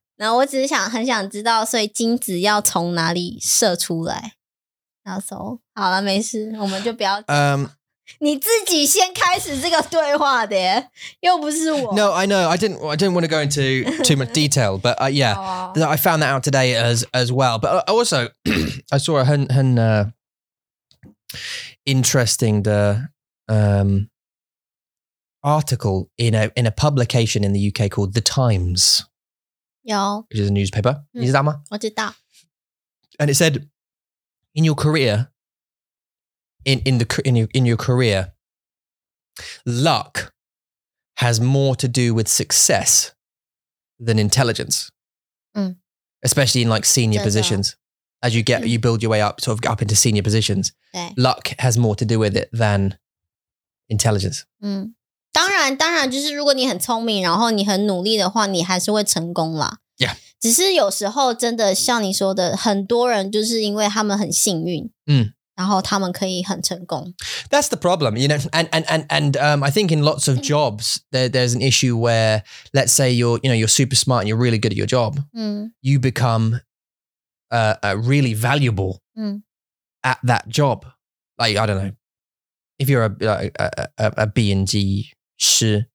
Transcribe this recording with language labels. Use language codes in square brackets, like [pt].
[zh] 然后我只是想很想知道，所以精子要从哪里射出来？然后说好了，没事，我们就不要。你自己先开始这个对话的耶，又不是我。 [en] No, I know. I didn't want to go into too much detail, but yeah,、oh. I found that out today as well. But also, I saw a 很interesting the article in a publication in the UK called The Times. [zh] 有 [en] which is a newspaper.、 [zh] 嗯、你知道吗？我知道。 [en] And it said, in your career. In your career, luck has more to do with success than intelligence,、嗯、 especially in like senior positions. As you get,、嗯、you build your way up, sort of up into senior positions, luck has more to do with it than intelligence.、 [zh] 嗯、当然就是如果你很聪明然后你很努力的话你还是会成功啦。 [en] Yeah. [zh] 只是有时候真的像你说的很多人就是因为他们很幸运。嗯。然后他们可以很成功。 [en] That's the problem, you know, and I think in lots of jobs, there's an issue where, let's say you're super smart and you're really good at your job,、嗯、 you become really valuable、嗯、 at that job. Like, I don't know, if you're a B&G 师、